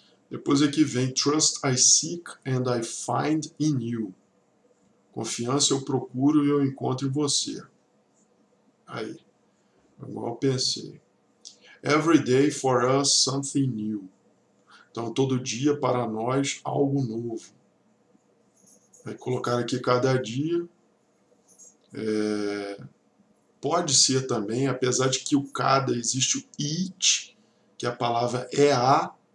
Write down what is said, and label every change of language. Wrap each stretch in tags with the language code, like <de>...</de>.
<pt>Depois aqui vem</pt> <en>Trust I seek and I find in you.</en> <pt>Confiança eu procuro e eu encontro em você. Aí, igual eu pensei.</pt> <en>Every day for us something new.</en> <pt>Então, todo dia para nós algo novo. Vai colocar aqui cada dia. Pode ser também, apesar de que o cada existe o it, que a palavra é a.</pt>